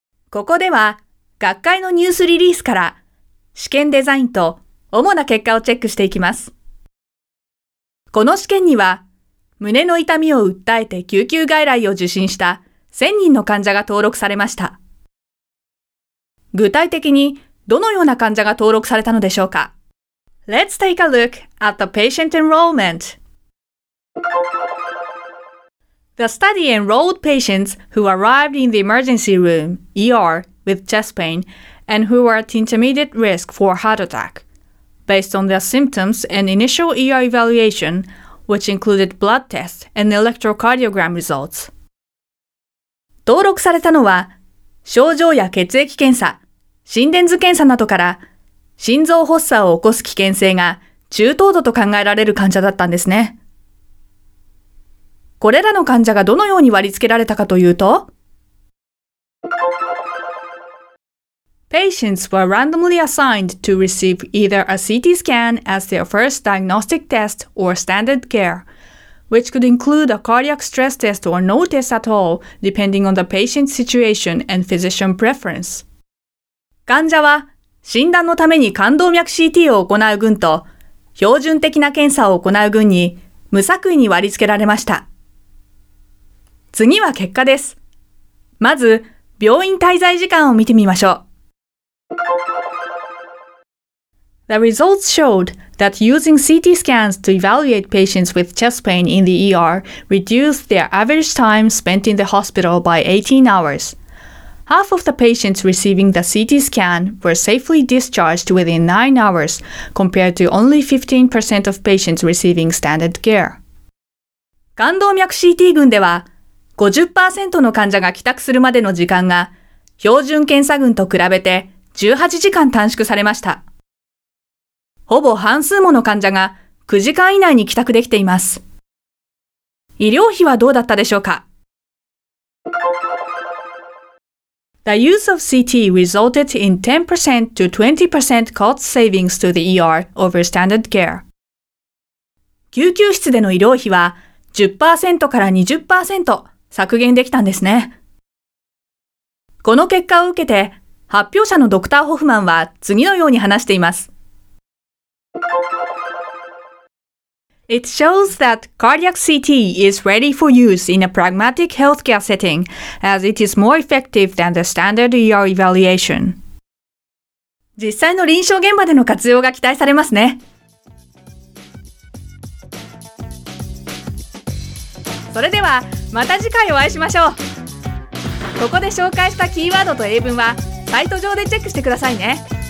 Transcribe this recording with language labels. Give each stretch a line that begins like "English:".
Japanese: ここでは、学会のニュースリリースから、試験デザインと主な結果をチェックしていきます。この試験には、胸の痛みを訴えて救急外来を受診した1000人の患者が登録されました。具体的にどのような患者が登録されたのでしょうか。
English: Let's take a look at the patient enrollment. The study enrolled patients who arrived in the emergency room, ER, with chest pain and who were at intermediate risk for heart attack. Based on their symptoms and initial ER evaluation, which included blood tests and electrocardiogram results.
Japanese: 登録されたのは、症状や血液検査、心電図検査などから、心臓発作を起こす危険性が中等度と考えられる患者だったんですね。これらの患者がどのように割り付けられたかというと、
English: Patients were randomly assigned to receive either a CT scan as their first diagnostic test or standard care, which could include a cardiac stress test or no test at all, depending on the patient's situation and physician preference.
Japanese: 患者は診断のために冠動脈 CT を行う群と標準的な検査を行う群に無作為に割り付けられました。次は結果です。まず病院滞在時間を見てみましょう。
English: The results showed that using CT scans to evaluate patients with chest pain in the ER reduced their average time spent in the hospital by 18 hours. Half of the patients receiving the CT scan were safely discharged within 9 hours, compared to only 15% of patients receiving standard care.
Japanese: 冠動脈 CT 群では 50% の患者が帰宅するまでの時間が標準検査群と比べて18時間短縮されました。ほぼ半数もの患者が9時間以内に帰宅できています。医療費はどうだったでしょうか?
English: The use of CT resulted in 10% to 20% cost savings to the ER over standard care.
Japanese: 救急室での医療費は 10% から 20% 削減できたんですね。この結果を受けて、発表者のドクター・ホフマンは次のように話しています。
English: It shows that cardiac CT is ready for use in a pragmatic healthcare setting as it is more effective than the standard ER evaluation.
Japanese: 実際の臨床現場での活用が期待されますね。それではまた次回お会いしましょう。ここで紹介したキーワードと英文はサイト上でチェックしてくださいね。